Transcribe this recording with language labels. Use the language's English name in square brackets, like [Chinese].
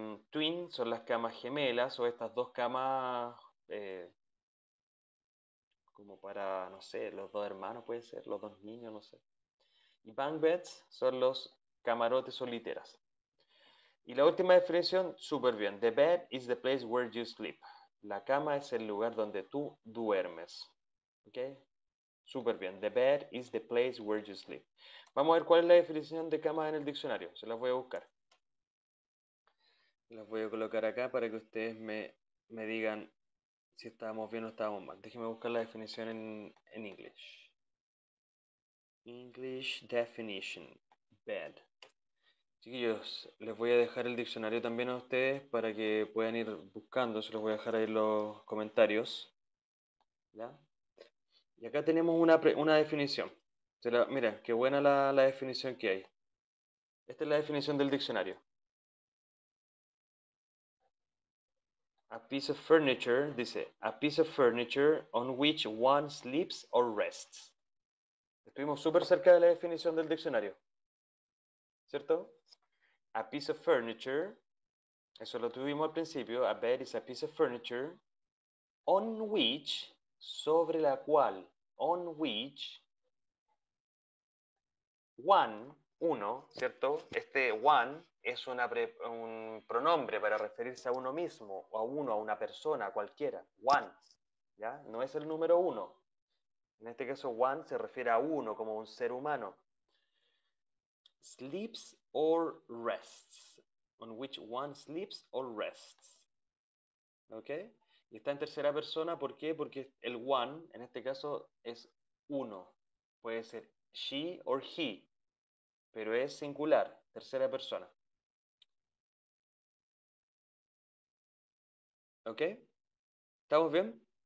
[Spanish] Twin son las camas gemelas o estas dos camas como para, no sé, los dos hermanos puede ser, los dos niños, no sé. Y bunk beds son los camarotes o literas. Y la última definición, súper bien. [English] The bed is the place where you sleep. [Spanish] La cama es el lugar donde tú duermes. ¿Ok? Súper bien. [English] The bed is the place where you sleep. [Spanish] Vamos a ver cuál es la definición de cama en el diccionario. Se las voy a buscar. Las voy a colocar acá para que ustedes me digan si estábamos bien o estábamos mal. Déjenme buscar la definición en English. [English] English definition. [Spanish] Bed. Chiquillos, les voy a dejar el diccionario también a ustedes para que puedan ir buscando. Se los voy a dejar ahí en los comentarios. ¿Ya? Y acá tenemos una definición. Mira, qué buena la definición que hay. Esta es la definición del diccionario. [English] A piece of furniture, dice, a piece of furniture on which one sleeps or rests. [Spanish] Estuvimos súper cerca de la definición del diccionario. [English] ¿Cierto? A piece of furniture, [Spanish] eso lo tuvimos al principio, [English] a bed is a piece of furniture, on which, [Spanish] sobre la cual, [English] on which, uno, ¿cierto? [Spanish] Este one es un pronombre para referirse a uno mismo, o a uno, a una persona, a cualquiera, one, ¿ya? No es el número uno. En este caso, one se refiere a uno, como un ser humano. [English] Sleeps or rests, on which one sleeps or rests. [Spanish] ¿Ok? Y está en tercera persona, ¿por qué? Porque el one, en este caso, es uno. Puede ser she or he, pero es singular, tercera persona. ¿Ok? ¿Estamos bien?